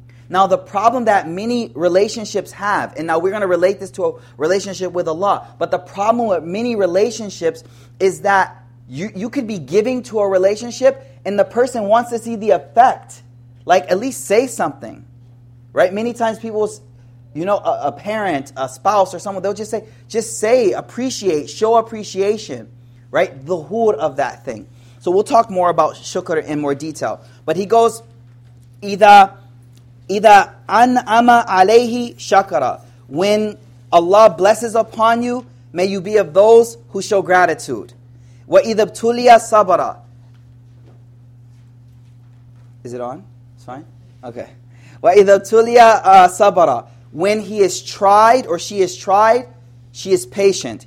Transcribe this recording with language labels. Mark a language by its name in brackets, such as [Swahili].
[English] Now the problem that many relationships have, and now we're going to relate this to a relationship with Allah, but the problem with many relationships is that you could be giving to a relationship and the person wants to see the effect. Like, at least say something. Right? Many times people, you know, a parent, a spouse or someone, they'll just say, appreciate, show appreciation. Right? The hood of that thing. So we'll talk more about shukr in more detail. But he goes, [Arabic] إِذَا أَنْعَمَ عَلَيْهِ شَكَرًا. [English] When Allah blesses upon you, may you be of those who show gratitude. [Arabic] وَإِذَا ابْتُلِيَ صَبَرًا. [English] Is it on? It's fine? Okay. [Arabic] وَإِذَا ابْتُلِيَ صَبَرًا. [English] When he is tried or she is tried, she is patient.